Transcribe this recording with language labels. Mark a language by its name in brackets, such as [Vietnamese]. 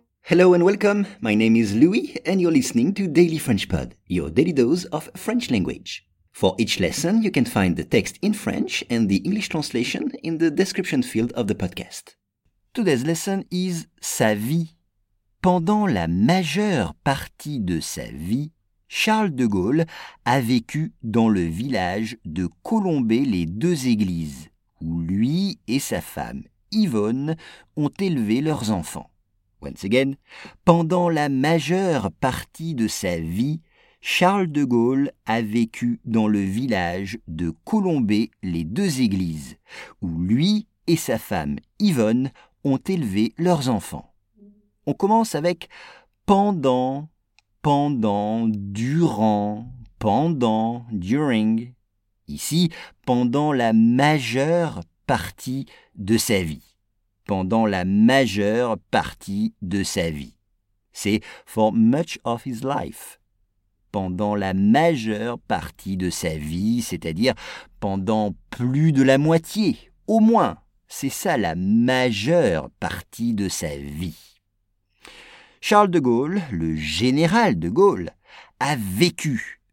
[English] Hello and welcome. My name is Louis and you're listening to Daily French Pod, your daily dose of French language. For each lesson, you can find the text in French and the English translation in the description field of the podcast. Today's lesson is [French] sa vie. Pendant la majeure partie de sa vie, Charles de Gaulle a vécu dans le village de Colombey-les-Deux-Églises, où lui et sa femme Yvonne ont élevé leurs enfants. [English] Once again, [French] pendant la majeure partie de sa vie, Charles de Gaulle a vécu dans le village de Colombey-les-Deux-Églises, où lui et sa femme Yvonne ont élevé leurs enfants. On commence avec pendant, pendant, durant, pendant, [English] during. [French] Ici, pendant la majeure partie de sa vie. Pendant la majeure partie de sa vie. C'est [English] for much of his life. [French] Pendant la majeure partie de sa vie, c'est-à-dire pendant plus de la moitié, au moins. C'est ça la majeure partie de sa vie. Charles de Gaulle, le général de Gaulle, a vécu.